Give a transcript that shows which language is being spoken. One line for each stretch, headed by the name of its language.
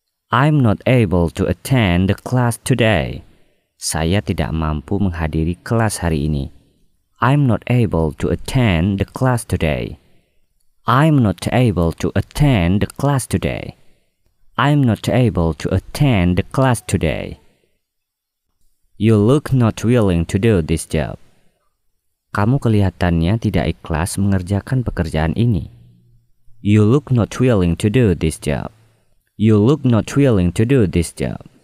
English: I'm not able to attend the class today.
Indonesian: Saya tidak mampu menghadiri kelas hari ini.
English: I'm not able to attend the class today. I'm not able to attend the class today. I'm not able to attend the class today. You look not willing to do this job.
Indonesian: Kamu kelihatannya tidak ikhlas mengerjakan pekerjaan ini.
English: You look not willing to do this job. You look not willing to do this job.